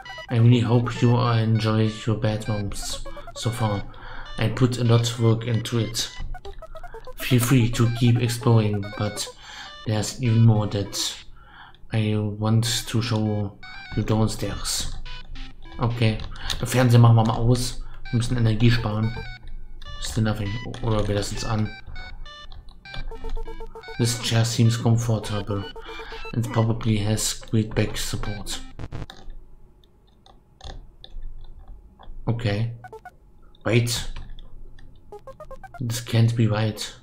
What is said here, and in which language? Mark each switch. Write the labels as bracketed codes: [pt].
[en] I really hope you enjoyed your bedrooms so far. I put a lot of work into it. Feel free to keep exploring, but there's even more that I want to show you downstairs. [de] Okay, den Fernseher machen wir mal aus. Wir müssen Energie sparen. [en] Still nothing. [de] Oder wir lassen es an. [en] This chair seems comfortable and probably has great back support. Okay. Wait. This can't be right.